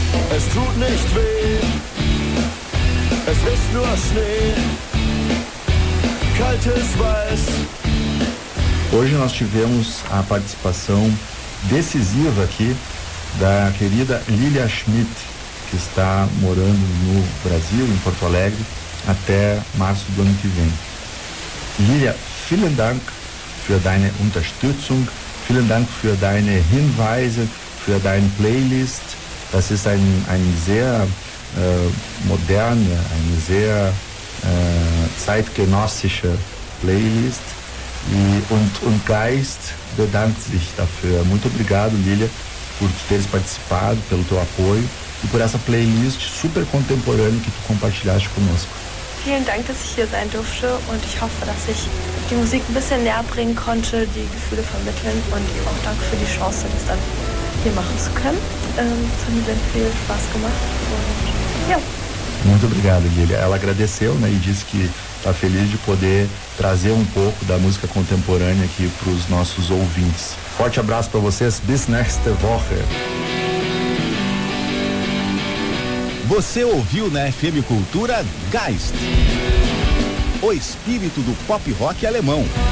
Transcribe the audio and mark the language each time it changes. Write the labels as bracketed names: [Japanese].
[German] Es tut nicht weh, es ist nur Schnee, kaltes Weiß. [Portuguese] Hoje nós tivemos a participação decisiva aqui da querida Lilia Schmidt, que está morando no Brasil, em Porto Alegre, até março do ano que vem. [German] Lilia, vielen Dank für deine Unterstützung, vielen Dank für deine Hinweise, für deine Playlist. Das ist eine sehr moderne, eine sehr zeitgenössische Playlist. Und Geist bedankt sich dafür. [Portuguese] Muito obrigado, Lilia, por teres participado, pelo teu apoio e por essa playlist super contemporânea que tu compartilhaste conosco. [German] Vielen Dank, dass ich hier sein durfte und ich hoffe, dass ich die Musik ein bisschen näher bringen konnte, die Gefühle vermitteln und auch danke für die Chance, das dann hier machen zu können. Es hat mir sehr viel Spaß gemacht und ja. [Portuguese] Muito obrigado, Lilia. Ela agradeceu, né, e disse que está feliz de poder trazer um pouco da música contemporânea aqui para os nossos ouvintes. Forte abraço para vocês. [German] Bis nächste Woche. [Portuguese] Você ouviu na FM Cultura Geist, o espírito do pop rock alemão.